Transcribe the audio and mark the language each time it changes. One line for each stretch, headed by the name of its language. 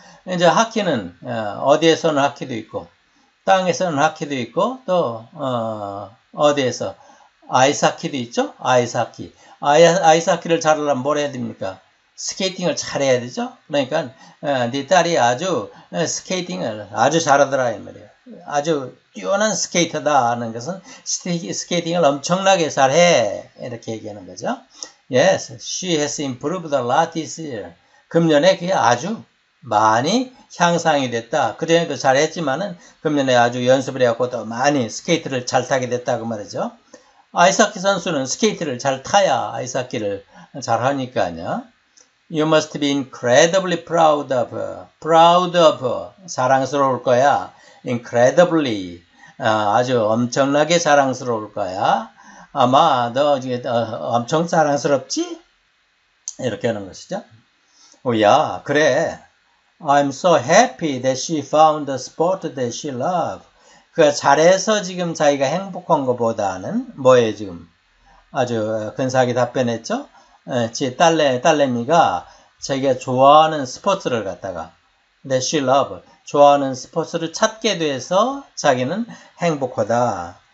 Korean: 이제 하키는 어디에서는 하키도 있고 땅에서는 하키도 있고 또 어디에서 아이스하키도 있죠? 아이스하키. 아이스하키를 잘하려면 뭘 해야 됩니까? 스케이팅을 잘해야 되죠? 그러니까, 네 딸이 아주 스케이팅을 아주 잘하더라, 이 말이에요. 아주 뛰어난 스케이터다 하는 것은 스케이팅을 엄청나게 잘해. 이렇게 얘기하는 거죠.
English: Yes, she has improved a lot this year.
Korean: 금년에 그게 아주 많이 향상이 됐다. 그전에도 잘했지만은 금년에 아주 연습을 해갖고 더 많이 스케이트를 잘 타게 됐다. 그 말이죠. 아이스하키 선수는 스케이트를 잘 타야 아이스하키를 잘 하니까요.
English: You must be incredibly proud of her. Proud of her.
Korean: 자랑스러울 거야. Incredibly. 아주 엄청나게 자랑스러울 거야. 아마 너 엄청 자랑스럽지? 이렇게 하는 것이죠. 오, 야, 그래.
English: I'm so happy that she found a sport that she loves.
Korean: 그가 잘해서 지금 자기가 행복한 것보다는 뭐예요, 지금? 아주 근사하게 답변했죠? 지 딸내미가 자기가 좋아하는 스포츠를 갖다가
English: that she loves,
Korean: 좋아하는 스포츠를 찾게 돼서 자기는 행복하다.